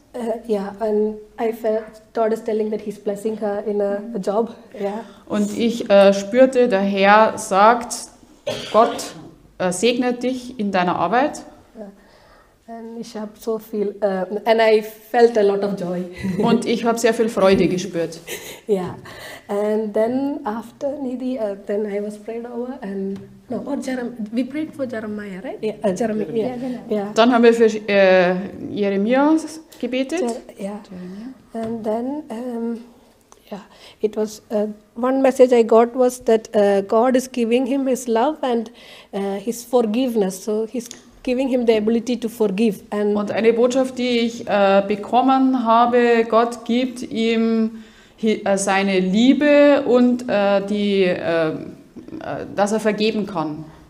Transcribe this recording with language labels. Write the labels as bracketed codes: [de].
[en] And I felt God is telling that He's blessing her in a job. Yeah. [de] Und ich spürte, der Herr sagt, Gott segnet dich in deiner Arbeit. [en] And I felt a lot of joy. [de] Und ich habe sehr viel Freude gespürt. [en] Yeah. And then after Nidhi, then I was prayed over and. No, or Jeremiah. We prayed for Jeremiah, right? Yeah, Jeremiah. [de] Dann haben wir für Jeremias gebetet. [en] And then, it was one message I got was that God is giving him His love and His forgiveness. So He's giving him the ability to forgive. [de] Und eine Botschaft, die ich bekommen habe, Gott gibt ihm seine Liebe und die dass er vergeben kann.